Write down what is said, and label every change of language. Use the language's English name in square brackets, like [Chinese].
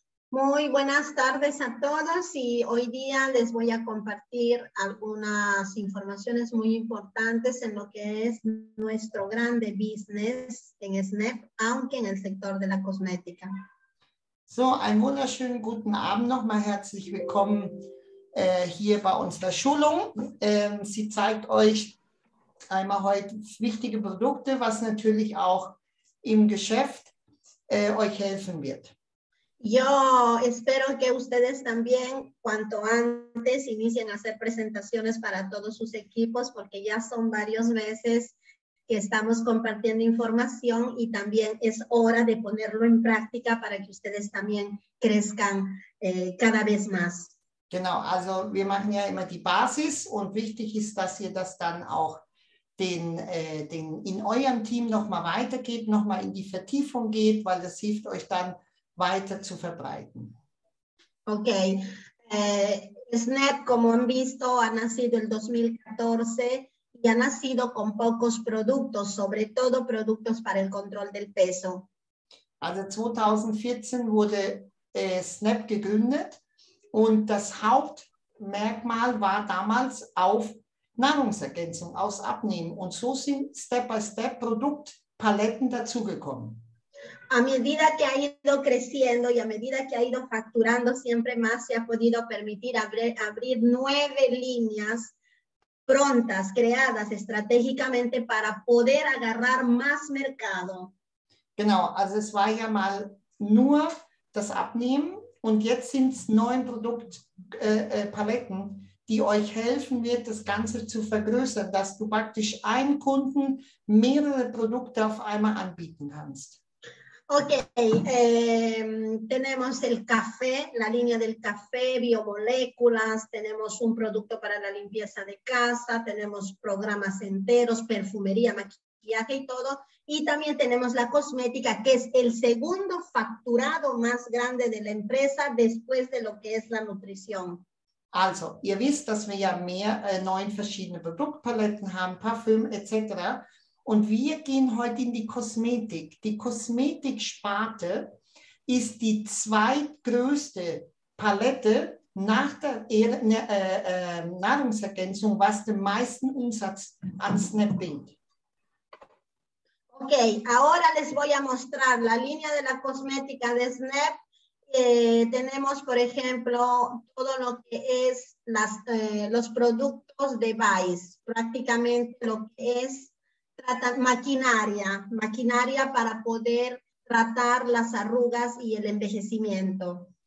[Spanish] Muy buenas tardes a todos y hoy día les voy a compartir algunas informaciones muy importantes en lo que es nuestro grande business en SNEP, aunque en el sector de la cosmética. [German] So, einen wunderschönen guten Abend nochmal. Herzlich willkommen hier bei unserer Schulung. Sie zeigt euch einmal heute wichtige Produkte, was natürlich auch im Geschäft euch helfen wird. [Spanish] Yo espero que ustedes también cuanto antes inicien a hacer presentaciones para todos sus equipos, porque ya son varias veces que estamos compartiendo información y también es hora de ponerlo en práctica para que ustedes también crezcan cada vez más. [German] Genau, also wir machen ja immer die Basis und wichtig ist, dass ihr das dann auch den in eurem Team nochmal weitergeht, nochmal in die Vertiefung geht, weil das hilft euch dann weiter zu verbreiten. Okay. [Spanish] SNEP, como han visto, ha nacido el 2014 y ha nacido con pocos productos, sobre todo productos para el control del peso. [German] Also 2014 wurde SNEP gegründet und das Hauptmerkmal war damals auf Nahrungsergänzung, aus Abnehmen. Und so sind Step-by-Step Produktpaletten dazugekommen. [Spanish] A medida que ha ido creciendo y a medida que ha ido facturando siempre más, se ha podido permitir abrir 9 líneas prontas, creadas estratégicamente para poder agarrar más mercado. [German] Genau, also es war ja mal nur das Abnehmen und jetzt sind es 9 Produktpaletten, die euch helfen wird, das Ganze zu vergrößern, dass du praktisch einen Kunden mehrere Produkte auf einmal anbieten kannst. [Spanish] Ok, tenemos el café, la línea del café, biomoléculas, tenemos un producto para la limpieza de casa, tenemos programas enteros, perfumería, maquillaje y todo, y también tenemos la cosmética, que es el segundo facturado más grande de la empresa después de lo que es la nutrición. [German] Also, ihr wisst, dass wir ja mehr 9 verschiedene Produktpaletten haben, Parfüm etc. Und wir gehen heute in die Kosmetik. Die Kosmetiksparte ist die zweitgrößte Palette nach der Nahrungsergänzung, was den meisten Umsatz an SNEP bringt. [Spanish] Okay, ahora les voy a mostrar la línea de la cosmética de SNEP. Tenemos, por ejemplo, todo lo que es los productos de Vice, prácticamente lo que es maquinaria para poder tratar las arrugas y el envejecimiento.